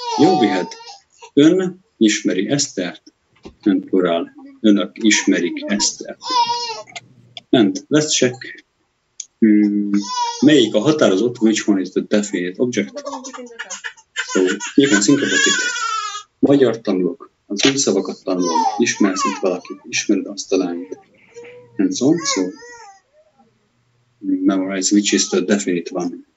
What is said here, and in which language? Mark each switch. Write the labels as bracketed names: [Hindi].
[English] Jó, we had [Hungarian] ön ismeri Esztert. [English] And plural [Hungarian] önök ismerik Esztert. [English] And let's check. [Hungarian] Melyik a határozott? [English] Which one is the definite object? So you can think about it. [Hungarian] Magyar tanulok, az új szavakat tanulom, ismersz itt valakit, ismered azt a lányt. [English] And so on, so memorize which is the definite one.